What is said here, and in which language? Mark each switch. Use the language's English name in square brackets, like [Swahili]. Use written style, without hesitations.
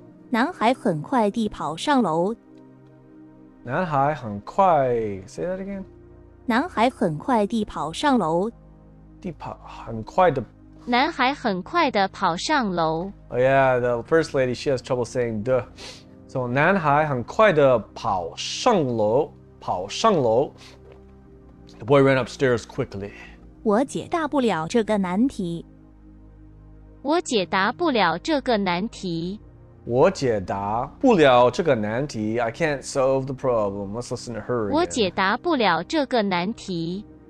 [Chinese] 男孩很快地跑上楼。男孩很快 [English] ...say that again? [Chinese] 男孩很快地跑上楼。地跑很快的。男孩很快地跑上楼。 [English] Oh yeah, the first lady, she has trouble saying the. So, [Chinese] 男孩很快地跑上楼。跑上楼。 [English] The boy ran upstairs quickly. [Chinese] 我解答不了这个难题。我解答不了这个难题。我解答不了这个难题。 [English] I can't solve the problem. Let's listen to her again. [Chinese] 我解答不了这个难题。